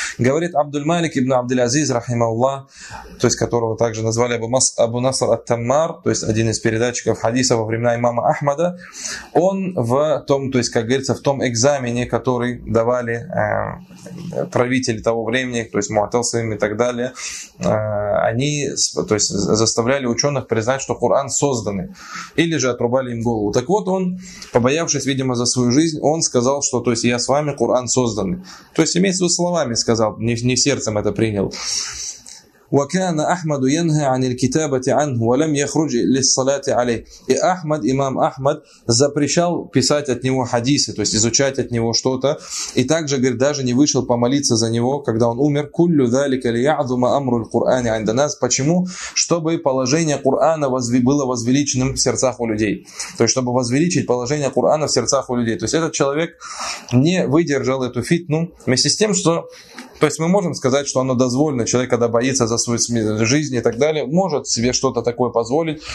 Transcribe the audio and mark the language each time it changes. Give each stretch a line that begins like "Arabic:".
Russian: Говорит, Абдул-Малик ибн Абдул-Азиз, рахималлах, то есть которого также назвали Абу Наср ат-Таммар, то есть один из передатчиков хадиса во времена имама Ахмада, он в том, то есть, как говорится, в том экзамене, который давали правители того времени, то есть муатасим и так далее, они, то есть, заставляли ученых признать, что Коран созданы, или же отрубали им голову. Так вот, он, побоявшись, видимо, за свою жизнь, он сказал, что, то есть, я с вами, Коран созданы. То есть, имеется в виду, словами сказал, не сердцем это принял.
Arabic: وكان أحمد ينهى عن الكتابة عنه ولم يخرج للصلاة عليه.
Russian: И Ахмад, имам Ахмад, запрещал писать от него хадисы, то есть изучать от него что-то. И также, говорит, даже не вышел помолиться за него, когда он умер.
Arabic: كُلُّ ذَلِكَ لِيَعْظُمَ أَمْرُ الْقُرْآنِ عِنْدَ
Russian: нас. Почему? Чтобы положение Кур'ана было возвеличенным в сердцах у людей. То есть, чтобы возвеличить положение Кур'ана в сердцах у людей. То есть, этот человек не выдержал эту фитну вместе с тем, что... То есть мы можем сказать, что оно дозволено. Человек, когда боится за свою жизнь и так далее, может себе что-то такое позволить.